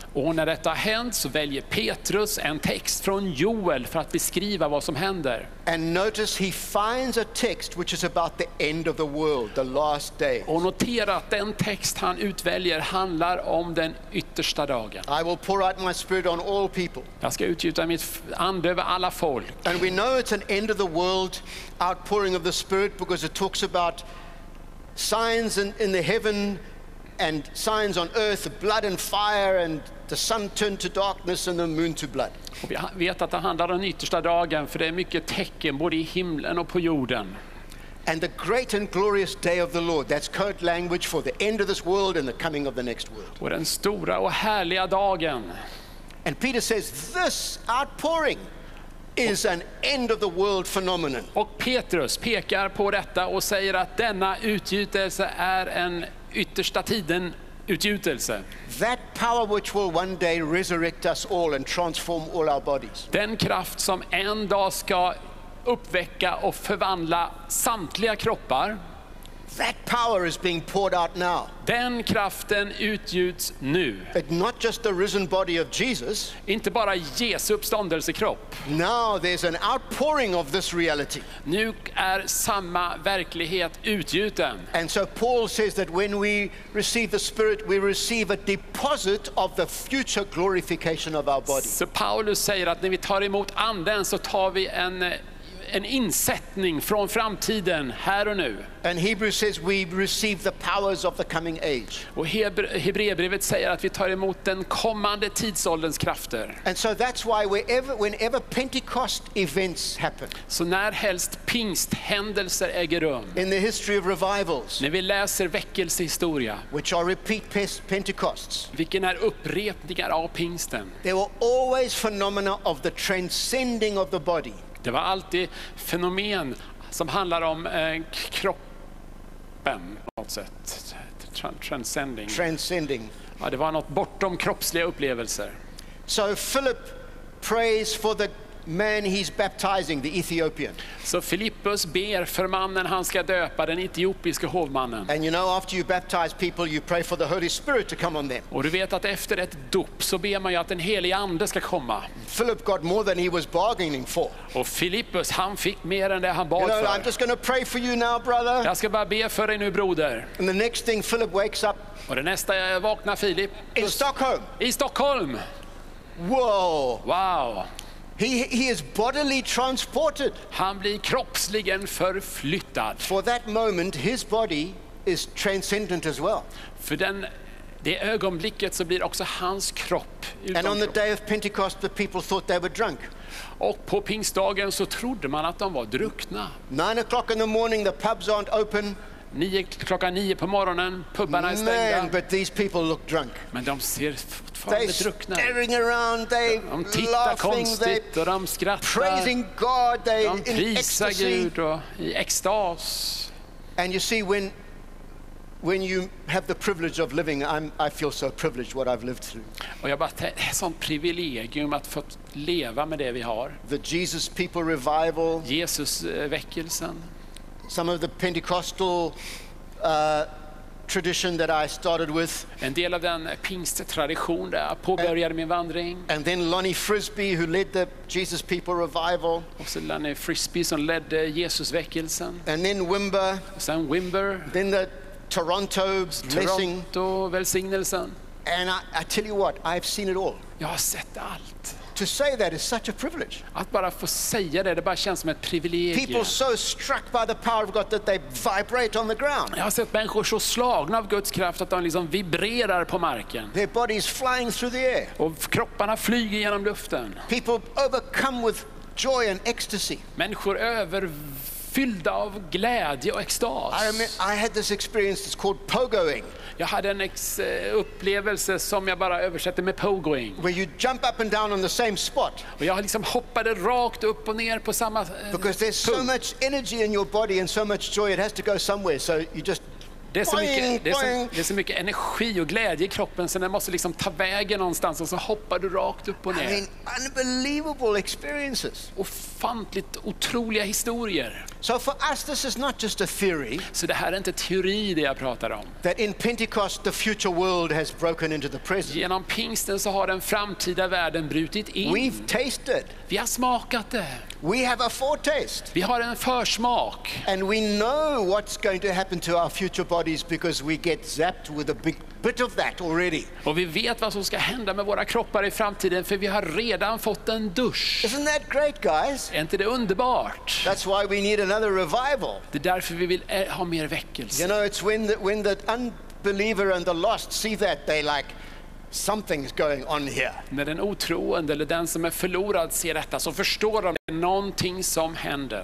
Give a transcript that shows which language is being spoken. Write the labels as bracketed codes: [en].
[sv] Och när detta hänt så väljer Petrus en text från Joel för att beskriva vad som händer. [en] And notice he finds a text which is about the end of the world, the last days. [sv] Och notera att den text han utväljer handlar om den yttersta dagen. [en] I will pour out my spirit on all people. [sv] Jag ska utgjuta mitt ande över alla folk. [en] And we know it's an end of the world outpouring of the spirit because it talks about signs in the heaven and signs on earth, blood and fire, and the sun turned to darkness and the moon to blood. [sv] Och vi vet att det handlar om den yttersta dagen, för det är mycket tecken både i himlen och på jorden. [en] And the great and glorious day of the Lord, that's code language for the end of this world and the coming of the next world. [sv] Och den stora och härliga dagen. [en] And Peter says this outpouring is an end of the world phenomenon. [sv] Och Petrus pekar på detta och säger att denna utgjutelse är en yttersta tiden utgjutelse. [en] That power which will one day resurrect us all and transform all our bodies. [sv] Den kraft som en dag ska uppväcka och förvandla samtliga kroppar. [en] That power is being poured out now. [sv] Den kraften utgjuts nu. [en] But not just the risen body of Jesus. [sv] Inte bara Jesu uppståndelsekropp. [en] Now there's an outpouring of this reality. [sv] Nu är samma verklighet utgjuten. [en] And so Paul says that when we receive the Spirit, we receive a deposit of the future glorification of our body. [sv] Så Paulus säger att när vi tar emot anden så tar vi en insättning från framtiden här och nu. [en] And Hebrews says we receive the powers of the coming age. [sv] Och Hebreerbrevet säger att vi tar emot den kommande tidsålderns krafter. [en] And so that's why whenever Pentecost events happen. [sv] Så när helst pingsthändelser äger rum. [en] In the history of revivals. [sv] När vi läser väckelsehistoria. [en] Which are repeat Pentecosts. [sv] Vilken är upprepningar av pingsten. [en] There were always phenomena of the transcending of the body. [sv] Det var alltid fenomen som handlar om kroppen på något sätt. Transcending. Ja, det var något bortom kroppsliga upplevelser. [en] So Philip prays for the man he's baptizing, the Ethiopian. [sv] Så Filippus ber för mannen han ska döpa, den etiopiske hovmannen. [en] And you know, after you baptize people, you pray for the Holy Spirit to come on them. [sv] Och du vet att efter ett dop så ber man ju att den helige ande ska komma. [en] Philip got more than he was bargaining for. [sv] Och Filippus, han fick mer än det han bad för. [en] You know, I'm just going to pray for you now, brother. [sv] Jag ska bara be för dig nu, broder. [en] And the next thing, Philip wakes up. [sv] Och det nästa jag vaknar Filip. [en] In Stockholm. [sv] I Stockholm. Whoa. Wow. [en] He is bodily transported. [sv] Han blir kroppsligen förflyttad. [en] For that moment his body is transcendent as well. [sv] För den Det ögonblicket så blir också hans kropp. [en] And on the day of Pentecost the people thought they were drunk. [sv] Och på pingstdagen så trodde man att de var druckna. [en] 9 o'clock in the morning the pubs aren't open. [sv] Klockan 9 på morgonen pubbarna är stängda. [en] Man, but these people look drunk. [sv] Men de ser fortfarande druckna. [en] They're staring around, [sv] de tittar [en] laughing, [sv] konstigt och de skrattar. [en] Praising God, [sv] de prisar Gud och i extas. [en] And you see when you have the privilege of living, I feel so privileged what I've lived through. [sv] Och jag bara, det är sånt privilegium att få leva med det vi har. [en] The Jesus people revival. [sv] Jesus väckelsen. [en] Some of the Pentecostal tradition that I started with. [sv] En del av den pingsttradition där jag påbörjade min vandring. [en] And then Lonnie Frisbee who led the Jesus people revival. [sv] Och så Lonnie Frisbee som ledde Jesus väckelsen. [en] And then Wimber. [sv] Sen Wimber. [en] Then the Toronto blessing. [sv] Toronto välsignelsen. [en] And I tell you what, I've seen it all. [sv] Jag har sett allt. [en] To say that is such a privilege. [sv] Att bara få säga det bara känns som ett privilegium. [en] People so struck by the power of God that they vibrate on the ground. [sv] Jag har sett människor så slagna av Guds kraft att de liksom vibrerar på marken. [en] Their bodies flying through the air. [sv] Och kropparna flyger genom luften. [en] People overcome with joy and ecstasy. [sv] Människor överfyllda av glädje och extas. [en] I had this experience that's called pogoing. [sv] Jag hade en upplevelse som jag bara översätter med pogoing. [en] Where you jump up and down on the same spot. [sv] Och jag liksom hoppade rakt upp och ner på samma [en] Because there's so much energy in your body and so much joy it has to go somewhere. So you just [sv] Det är så mycket energi och glädje i kroppen så den måste liksom ta vägen någonstans och så hoppar du rakt upp och ner. [en] I mean, unbelievable experiences. [sv] Ofantligt otroliga historier. [en] So for us this is not just a theory. [sv] Så det här är inte teori det jag pratar om. [en] That in Pentecost the future world has broken into the present. [sv] Genom pingsten så har den framtida världen brutit in. [en] We've tasted. [sv] Vi har smakat det. [en] We have a foretaste. [sv] Vi har en försmak. [en] And we know what's going to happen to our future bodies because we get zapped with a big bit of that already. [sv] Och vi vet vad som ska hända med våra kroppar i framtiden för vi har redan fått en dusch. [en] Isn't that great, guys? [sv] Är inte det underbart? [en] That's why we need another revival. [sv] Det är därför vi vill ha mer väckelse. [en] You know, it's when the unbeliever and the lost see that they like something's going on here. [sv] När den otroende eller den som är förlorad ser detta så förstår de någonting som händer.